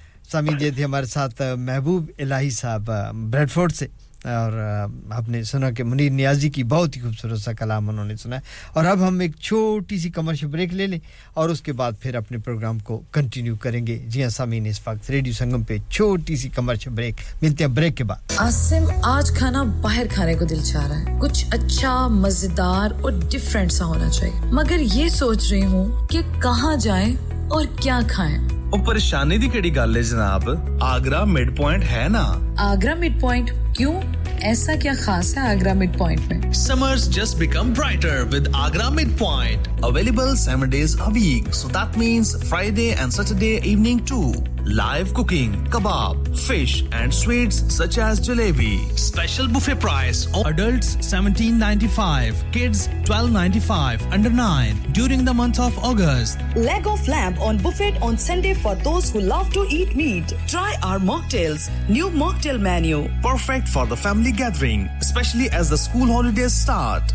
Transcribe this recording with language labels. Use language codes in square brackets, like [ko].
[ur] سامین جی تھے ہمارے ساتھ محبوب الہی صاحب بریڈفورڈ سے اور آپ نے سنا کہ منیر نیازی کی بہت ہی خوبصورت سا کلام انہوں نے سنا ہے اور اب ہم ایک چھوٹی سی کمرشل بریک لے لیں اور اس کے بعد پھر اپنے پروگرام کو کنٹینیو کریں گے جی ہاں سامین اس وقت ریڈیو سنگم پہ چھوٹی سی کمرشل بریک ملتے ہیں بریک کے بعد عاصم آج کھانا باہر کھانے کو دل چاہ رہا ہے کچھ اچھا مزیدار اور ڈفرینٹ سا ہونا چاہیے مگر یہ سوچ رہی ہوں کہ کہاں جائیں اور کیا کھائیں [pa] ਉਹ ਪਰੇਸ਼ਾਨੀ ਦੀ ਕਿਹੜੀ ਗੱਲ ਹੈ ਜਨਾਬ ਆਗਰਾ ਮਿਡ ਪੁਆਇੰਟ ਹੈ ਨਾ ਆਗਰਾ ਮਿਡ ਪੁਆਇੰਟ ਕਿਉਂ ਐਸਾ ਕੀ ਖਾਸ ਹੈ ਆਗਰਾ ਮਿਡ ਪੁਆਇੰਟ ਮੈਂ [en] Summers just become brighter with Agra mid point available 7 days a week so that means Friday and Saturday evening to Live cooking, kebab, fish and sweets such as jalebi. Special buffet price, adults $17.95, kids $12.95, under 9, during the month of August. Leg of lamb on buffet on Sunday for those who love to eat meat. Try our mocktails, new mocktail menu. Perfect for the family gathering, especially as the school holidays start.